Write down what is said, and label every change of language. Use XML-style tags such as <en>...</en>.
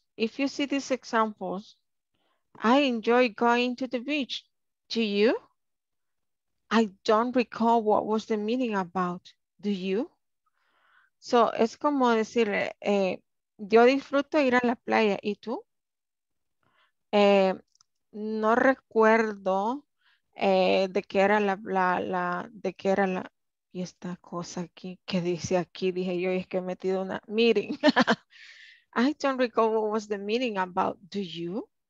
<en>If you see these examples, I enjoy going to the beach. Do you? I don't recall what was the meaning about. Do you?</en> <es>So es como decir, yo disfruto ir a la playa. ¿Y tú? No recuerdo de qué era la y esta cosa aquí, que dice aquí, dije yo, es que he metido una meeting.</es> <en>I don't recall what was the meaning about, do you?</en>